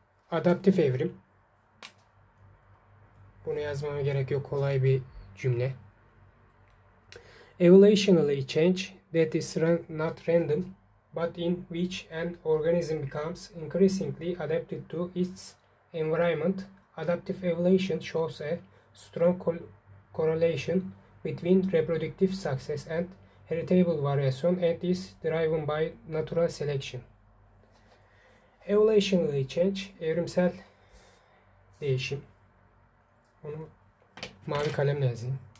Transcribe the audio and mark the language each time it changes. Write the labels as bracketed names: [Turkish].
[Turkish] Adaptif evrim. Bunu yazmama gerek yok, kolay bir cümle. [English] Evolutionary change that is not random, but in which an organism becomes increasingly adapted to its environment, adaptive evolution shows a strong correlation between reproductive success and heritable variation and is driven by natural selection. Evolutionary change, [Turkish] evrimsel değişim. Onu mavi kalemle yazayım.